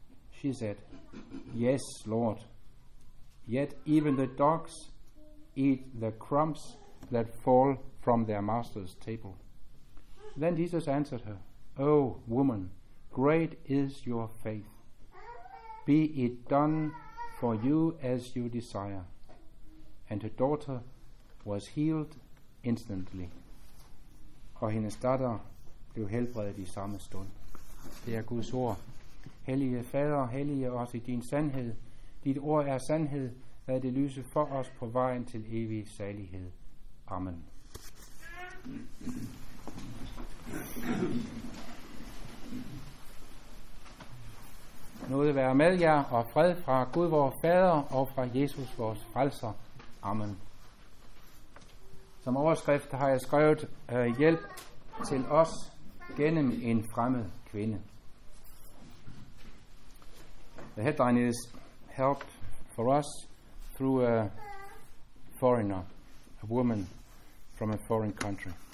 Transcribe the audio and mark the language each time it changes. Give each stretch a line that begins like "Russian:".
English: She said, "Yes, Lord. Yet even the dogs eat the crumbs that fall from their master's table." Then Jesus answered her, "O woman, great is your faith. Be it done for you as you desire." And her daughter was healed instantly.
Danish: Og hendes datter blev helbredet i samme stund. Det er Guds ord. Hellige Fader, hellige os i din sandhed. Dit ord er sandhed. Lad det lyse for os på vejen til evig salighed. Amen. Nåde være med jer og fred fra Gud vores Fader og fra Jesus vores Frelser. Amen. Som overskrift har jeg skrevet hjælp til os gennem en fremmed kvinde.
English: The headline is help for us through a foreigner, a woman from a foreign country.